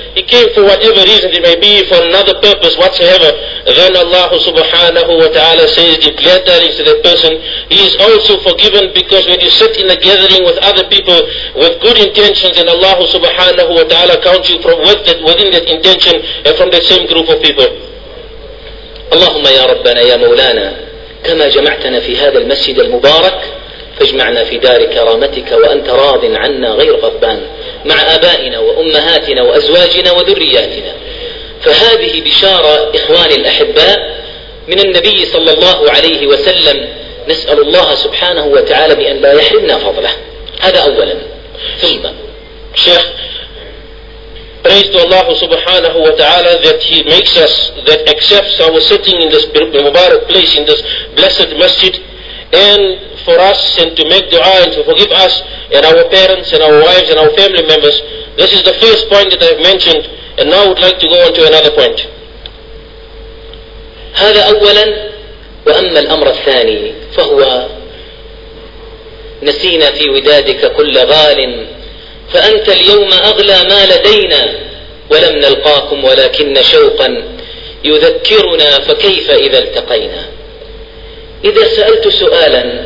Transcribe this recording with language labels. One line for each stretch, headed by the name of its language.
English: He came for whatever reason, it may be for another purpose whatsoever. Then Allah subhanahu wa ta'ala says, declare tidings to that person, he is also forgiven, because when you sit in a gathering with other people with good intentions, and Allah subhanahu wa ta'ala counts you from within that intention and from the same group of people.
Arabic: اللهم يا ربنا يا مولانا كما جمعتنا في هذا المسجد المبارك فاجمعنا في دار كرامتك وأنت راض عنا غير غضبان مع آبائنا وأمهاتنا وأزواجنا وذرياتنا فهذه بشارة إخواني الأحباء من النبي صلى الله عليه وسلم نسأل الله سبحانه وتعالى بأن لا يحرمنا فضله هذا أولا ثم
English: شيخ praise to Allah subhanahu wa ta'ala that He makes us, that accepts our sitting in this Mubarak place, in this blessed masjid, and for us, and to make dua and to forgive us and our parents and our wives and our family members. This is the first point that I've mentioned, and now I would like to go on to another point.
Arabic: هذا أولا وأما الأمر الثاني فهو نسينا في ودادك كل غال فأنت اليوم أغلى ما لدينا ولم نلقاكم ولكن شوقا يذكرنا فكيف إذا التقينا إذا سألت سؤالا